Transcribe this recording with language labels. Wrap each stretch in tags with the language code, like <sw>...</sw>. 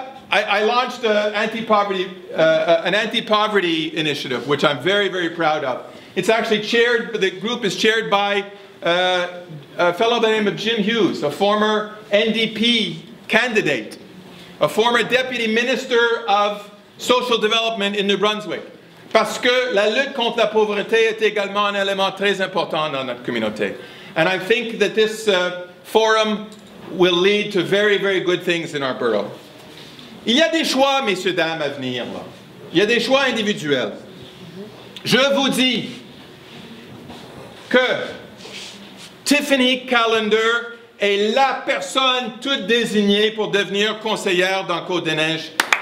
<en>I launched an anti-poverty initiative, which I'm very, very proud of. It's actually chaired, the group is chaired by a fellow by the name of Jim Hughes, a former NDP candidate, a former deputy minister of social development in New Brunswick.</en> <fr>Parce que la lutte contre la pauvreté est également un élément très important dans notre communauté.</fr> <en>And I think that this forum will lead to very, very good things in our borough.</en> <fr>Il y a des choix, messieurs, dames, à venir. Il y a des choix individuels. Je vous dis que Tiffany Callender est la personne toute désignée pour devenir conseillère dans Côte-des-Neiges.</fr>